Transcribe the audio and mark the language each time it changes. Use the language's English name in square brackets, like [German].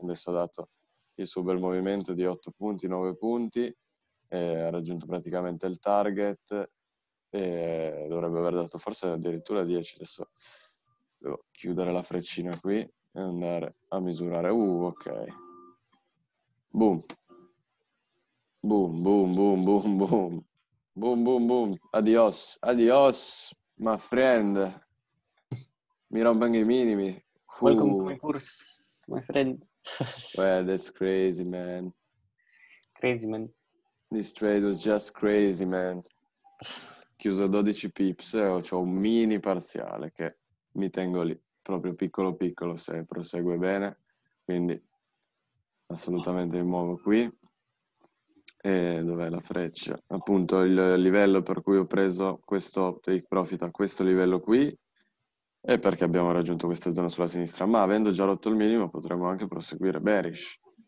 [Italian] Adesso ha dato il suo bel movimento di 8 punti, 9 punti, e ha raggiunto praticamente il target, e dovrebbe aver dato forse addirittura 10. Adesso devo chiudere la freccina qui e andare a misurare. Ok. Boom. Boom, boom, boom, boom, boom. Boom, boom, boom. Adios, adios, [English] my friend. [Italian] Mi rompono i minimi. [English] Welcome to my course, my friend. Well, that's crazy, man. Crazy, man. This trade was just crazy, man. [Italian] Chiuso 12 pips, ho un mini parziale che mi tengo lì. Proprio piccolo, piccolo, se prosegue bene. Quindi... assolutamente mi muovo qui. E dov'è la freccia? Appunto, il livello per cui ho preso questo take profit a questo livello qui è perché abbiamo raggiunto questa zona sulla sinistra. Ma avendo già rotto il minimo, potremmo anche proseguire bearish.